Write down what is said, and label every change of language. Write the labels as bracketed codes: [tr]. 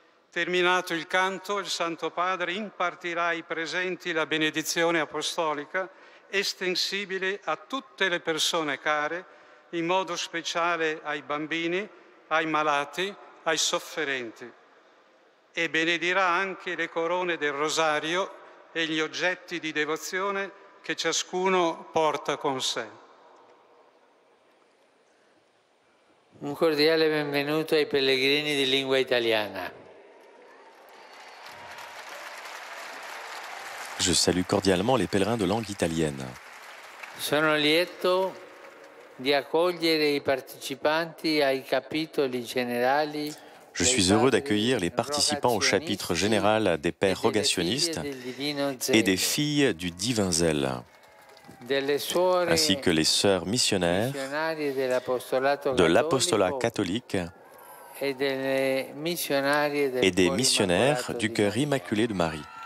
[it] Terminato il canto, il Santo Padre impartirà ai presenti la benedizione apostolica estensibile a tutte le persone care, in modo speciale ai bambini, ai malati, ai sofferenti, e benedirà anche le corone del rosario e gli oggetti di devozione che ciascuno porta con sé. Un cordiale benvenuto ai pellegrini di lingua italiana. [fr] Je salue cordialement les pèlerins de langue italienne. [it] Sono lieto di accogliere i partecipanti ai capitoli generali. [fr] Je suis heureux d'accueillir les participants au chapitre général des pères rogationnistes et des filles du divin zèle, ainsi que les sœurs missionnaires de l'apostolat catholique et des missionnaires du cœur immaculé de Marie.